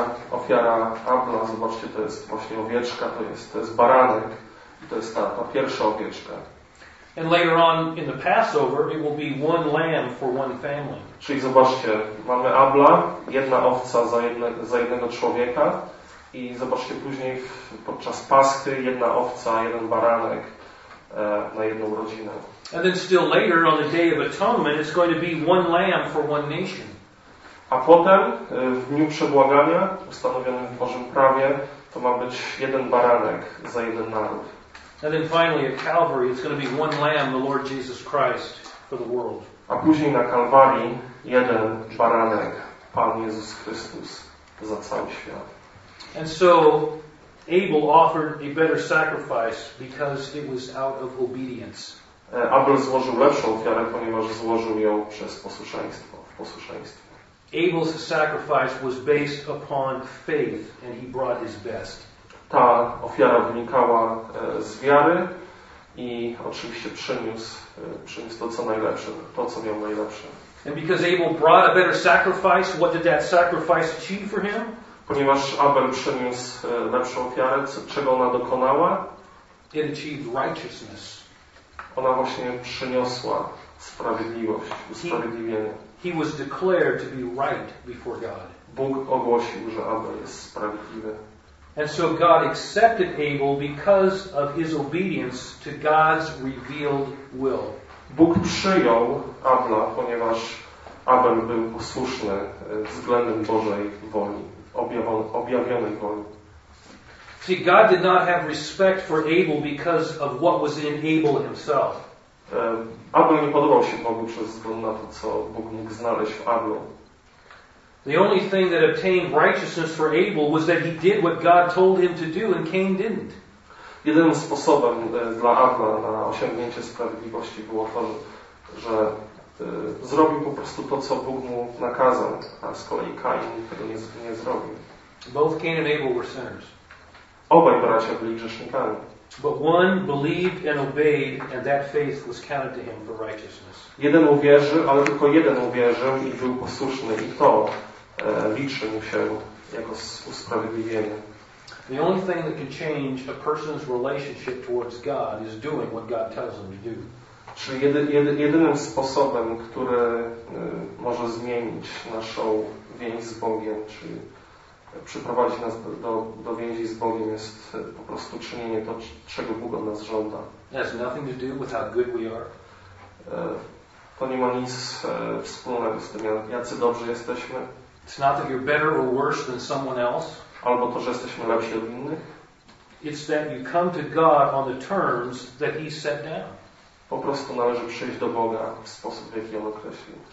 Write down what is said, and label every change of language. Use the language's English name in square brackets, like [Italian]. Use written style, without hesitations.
[Polish] Ofiara Abla, zobaczcie, to jest właśnie owieczka, to jest baranek, to jest ta pierwsza owieczka. [English] And later on in the Passover, it will be one lamb for one family. [Polish] Czyli zobaczcie, mamy Abla, jedna owca za jednego człowieka. I zobaczcie później, podczas Paschy, jedna owca, jeden baranek na jedną rodzinę. [English] And then still later, on the Day of Atonement, it's going to be one lamb for one nation. [Polish] A potem, w Dniu Przebłagania, ustanowionym w Bożym Prawie, to ma być jeden baranek za jeden naród. [English] And then finally at Calvary it's going to be one lamb, the Lord Jesus Christ, for the world. [Polish] A później na Kalwarii jeden baranek, Pan Jezus Chrystus, za cały świat. [English] And so Abel offered a better sacrifice because it was out of obedience. [Polish] Abel złożył lepszą ofiarę, ponieważ złożył ją przez posłuszeństwo, w posłuszeństwie. [English] Abel's sacrifice was based upon faith and he brought his best. [Polish] Ta ofiara wynikała z wiary i oczywiście przyniósł to, co najlepsze, to, co miał najlepsze. [English] And because Abel brought a better sacrifice, what did that sacrifice achieve for him? [Polish] Ponieważ Abel przyniósł lepszą ofiarę, czego ona dokonała? [English] It achieved righteousness. [Polish] Ona właśnie przyniosła sprawiedliwość, usprawiedliwienie. [English] He was declared to be right before God. [Polish] Bóg ogłosił, że Abel jest sprawiedliwy. [English] And so God accepted Abel because of his obedience to God's revealed will. [Polish] Bóg przyjął Abla, ponieważ Abel był posłuszny względem Bożej woli, objawionej woli. [English] See, God did not have respect for Abel because of what was in Abel himself. [Polish] Abel nie podobał się Bogu przez względu na to, co Bóg mógł znaleźć w Ablu. [English] The only thing that obtained righteousness for Abel was that he did what God told him to do and Cain didn't. [Polish] Jedynym sposobem dla Abla na osiągnięcie sprawiedliwości było to, że zrobił po prostu to, co Bóg mu nakazał, a z kolei Cain tego nie zrobił. [English] Both Cain and Abel were sinners. [Polish] Obaj bracia byli grzesznikami. [English] But one believed and obeyed, and that faith was counted to him for righteousness. [Polish] Jeden uwierzył, ale tylko jeden uwierzył i był posłuszny, i to liczy mu się jako usprawiedliwienie. [English] The only thing that can change a person's relationship towards God is doing what God tells them to do. [Polish] Czyli jedynym sposobem, który może zmienić naszą więź z Bogiem, czyli przyprowadzić nas do więzi z Bogiem, jest po prostu czynienie to, czego Bóg od nas żąda. [English] Has nothing to do with how good we are. [Polish] To nie ma nic wspólnego z tym, jacy dobrze jesteśmy. [English] It's not that you're better or worse than someone else. [Polish] Albo to, że jesteśmy lepsi od innych. [English] It's that you come to God on the terms that He set down. [Polish] Po prostu należy przyjść do Boga w sposób, w jaki On określił.